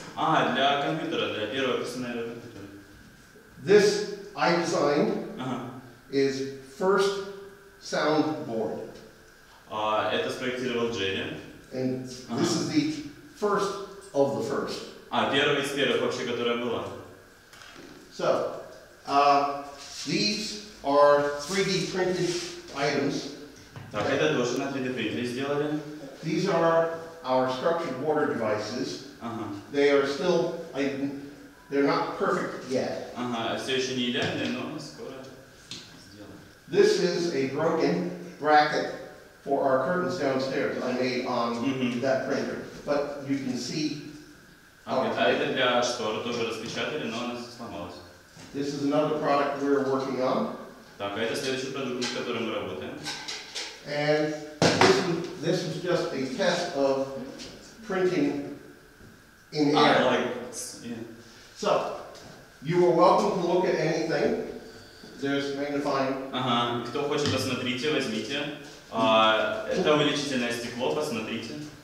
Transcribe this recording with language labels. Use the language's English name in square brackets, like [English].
[Russian] А, для компьютера, для первого персонального компьютера. [English] This I designed is first soundboard. [Russian] Это спроектировал Женя. [English] And this is the first of the first. [Russian] А, первый из первых вообще, которая была. [English] So, these are 3D printed items. [Russian] Так, это тоже на 3D принтере сделали. [English] These are our structured water devices. They are still, they're not perfect yet. [Russian] Все еще не идеальные, но скоро сделаем. [English] This is a broken bracket for our curtains downstairs I made on that printer. But you can see [Russian] okay, это для штор тоже распечатали, но она сломалась. [English] This is another product we're working on. [Russian] Так, это следующий продукт, над которым мы работаем. [English] And this was just a test of printing in air. So you are welcome to look at anything. There's magnifying. [Russian] Кто хочет, посмотрите, возьмите. Это увеличительное стекло, посмотрите.